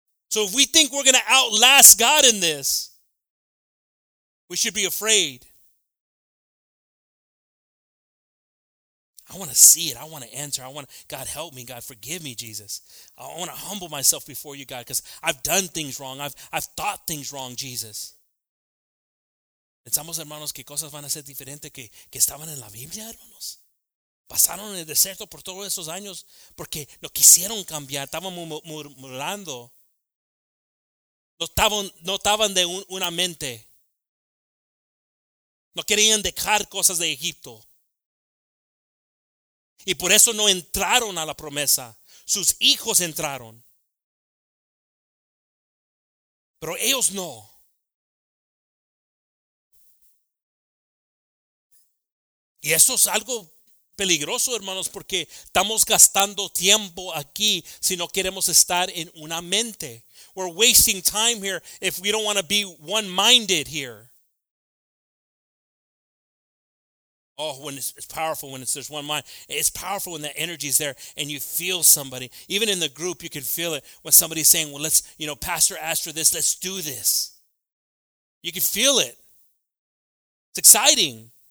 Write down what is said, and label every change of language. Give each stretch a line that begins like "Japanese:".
English: So if we think we're going to outlast God in this, we should be afraid. I want to see it. I want to enter. I want, God, help me. God, forgive me, Jesus. I want to humble myself before you, God, because I've done things wrong. I've thought things wrong, Jesus.
Spanish: Pensamos, hermanos, que cosas van a ser diferentes que estaban en la Biblia, hermanos. Pasaron en el desierto por todos esos años porque no quisieron cambiar. Estaban murmurando. No estaban de una mente. No querían dejar cosas de Egipto. Y por eso no entraron a la promesa. Sus hijos entraron. Pero ellos no. Y eso es algo peligroso, hermanos, porque estamos gastando tiempo aquí si no queremos estar en una mente.
English: We're wasting time here if we don't want to be one-minded here. Oh, when it's powerful, when there's one mind. It's powerful when that energy is there and you feel somebody. Even in the group, you can feel it when somebody's saying, well, let's, you know, pastor asked for this, let's do this. You can feel it. It's exciting.